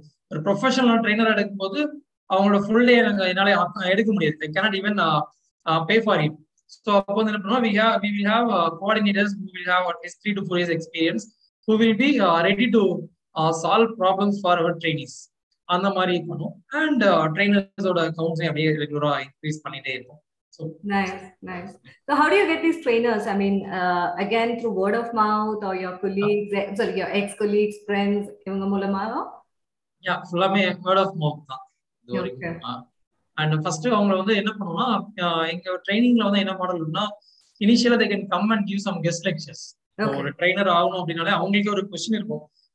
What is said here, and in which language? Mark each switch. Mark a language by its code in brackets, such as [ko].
[ta] ஒரு professional trainer எடுக்கும்போது அவங்களோட ஃபுல் டே என்னால எடுக்க முடியாது, [en] I cannot even pay for it. [ta] So அப்போ வந்து என்ன பண்ணுவோம், [en] we will have coordinators who will have at least 3 to 4 years experience who will be ready to solve problems for our trainees. [ta] அந்த மாதிரி பண்ணோம் and trainersோட கவுன்சிலிங் அப்படியே ரெகுலரா increase பண்ணிட்டே இருக்கோம். [en] So nice. So how do you get these trainers? I mean, again through word of mouth or your colleagues, sorry, your ex-colleagues, friends, [ta] இவங்க மூலமா? [en] Yeah, fullமே word of mouth [ta] தான். [en] Okay. [ta] And first அவங்க வந்து என்ன பண்ணுவோம்னா, எங்க ட்ரெய்னிங்ல வந்து என்ன மாடல்னா, இனிஷியலா [en] they can come and give some guest lectures. [ta] ஒரு ட்ரெய்னர் ஆகணும் அப்படினாலே அவங்களுக்கு ஒரு question இருக்கும்.